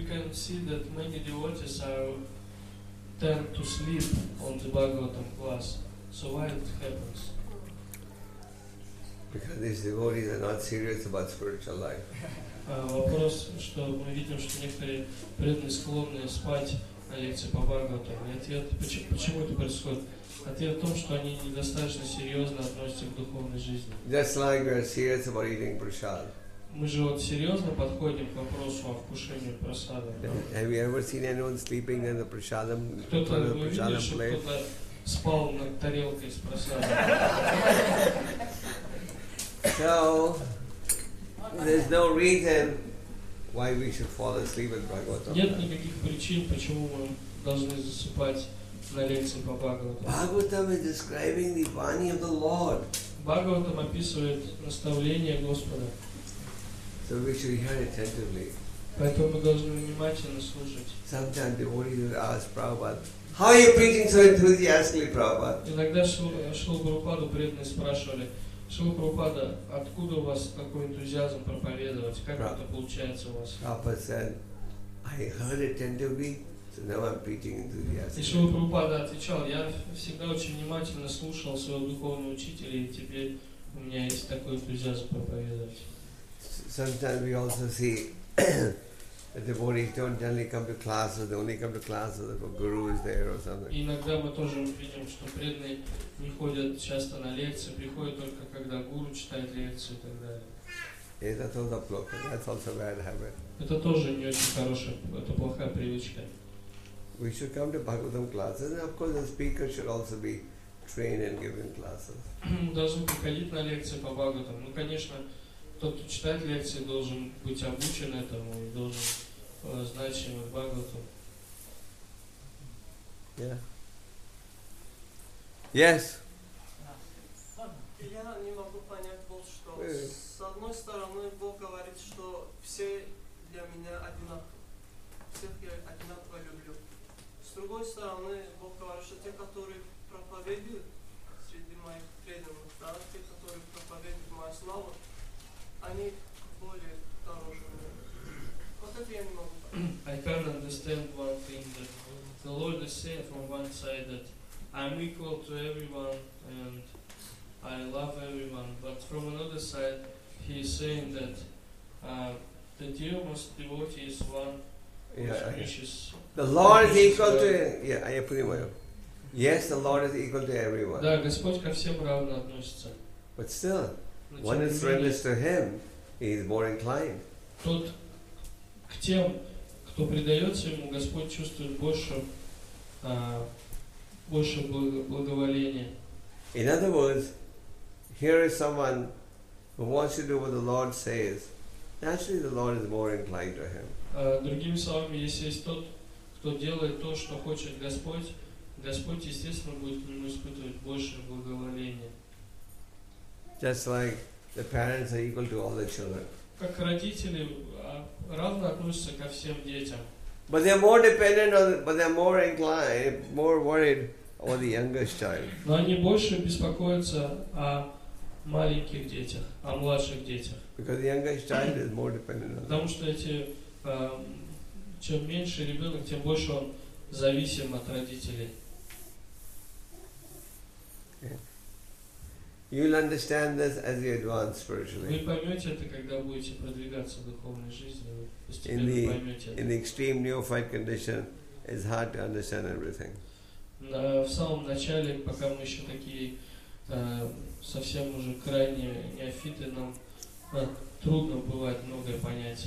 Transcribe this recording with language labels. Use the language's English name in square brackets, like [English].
[English] See that many devotees tend to sleep on the Bhagavatam class. So why it happens? Because these devotees are not serious about spiritual life. [Russian] Вопрос, что мы видим, что некоторые преданные склонны спать на лекции по Бхагаватам. И ответ, почему это происходит? Ответ в том, что они недостаточно серьезно относятся к духовной жизни. [English] Just like we are serious about eating prasad. [Russian] Мы же вот серьезно подходим к вопросу о вкушении прасада. [English] Have you ever seen anyone sleeping in the prasadam? [Russian] Кто-то [English] the prasadam [Russian] видел, [English] plate? [Russian] Что кто-то спал на тарелке с прасадом? [English] So there's no reason why we should fall asleep at Bhagavatam. [Russian] Нет никаких причин, почему мы должны засыпать на лекции по Бхагаватам. [English] Bhagavatam is describing the vani of the Lord. [Russian] Бхагаватам описывает наставление Господа. [English] So we should hear attentively. [Russian] Поэтому мы должны внимательно слушать. [English] Sometimes the devotees would ask Prabhupada, how are you preaching so enthusiastically, Prabhupada? [Russian] Иногда Шрила Прабхупаду преданные спрашивали, Шрила Прабхупада, откуда у вас такой энтузиазм проповедовать? Как это получается у вас? [English] Prabhupada said, I heard attentively, so now I'm preaching enthusiastically. [Russian] И Шрила Прабхупада отвечал, я всегда очень внимательно слушал своего духовного учителя, и теперь у меня есть такой энтузиазм проповедовать. [English] Sometimes we also see that the devotees don't generally come to classes, they only come to classes if a guru is there or something. [Russian] Иногда мы тоже видим, что преданные не ходят часто на лекции, приходят только когда гуру читает лекцию и так далее. [English] It's also plokka, that's also a bad habit. [Russian] Это тоже не очень хорошая, это плохая привычка. [English] We should come to Bhagavatam classes, and of course the speaker should also be trained in giving classes. [Russian] Мы должны приходить на лекции по Бхагаватам. Ну, конечно, тот, кто читает лекции, должен быть обучен этому и должен знать Шримад Бхагаватам. [English] Yeah. Yes. [Russian] Я не могу понять вот что. С одной стороны, Бог говорит, что все для меня одинаковы. Всех я одинаково люблю. С другой стороны, Бог говорит, что те, которые проповедуют среди моих преданных, да, те, которые проповедуют мою славу, [English] I can't understand one thing that the Lord is saying from one side that I'm equal to everyone and I love everyone, but from another side he is saying that the dearest devotee is one who is precious. The Lord is equal to Yes, the Lord is equal to everyone. [Russian] Да, Господь ко всем равно относится. [English] But still, one is friendless to him, he is more inclined. [Russian] Тот, к тем, кто предается ему, Господь чувствует больше, больше благоволения. [English] In other words, here is someone who wants to do what the Lord says. Actually, the Lord is more inclined to him. [Russian] Другими словами, если есть тот, кто делает то, что хочет Господь, Господь, естественно, будет к нему испытывать большее благоволение. [English] Just like the parents are equal to all the children. [Russian] Как родители равно относятся ко всем детям. [English] But they are more dependent on, but they are more inclined, more worried about the youngest child. [Russian] Но они больше беспокоятся о маленьких детях, о младших детях. [English] Because the youngest child is more dependent on. [Russian] Потому что эти чем меньше ребенок, тем больше он зависим от родителей. [English] You'll understand this as you advance spiritually. [Russian] Вы поймете это, когда будете продвигаться в духовной жизни. [English] In the extreme neophyte condition, it's hard to understand everything. [Russian] В самом начале, пока мы еще такие совсем уже крайние неофиты, нам трудно бывает многое понять.